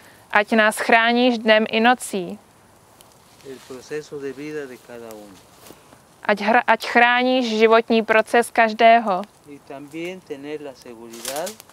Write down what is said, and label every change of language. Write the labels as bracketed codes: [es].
[cs] ať nás chráníš dnem i nocí. [es] El proceso de vida de cada uno. [cs] Ať chráníš životní proces každého. [es] Y también tener la seguridad.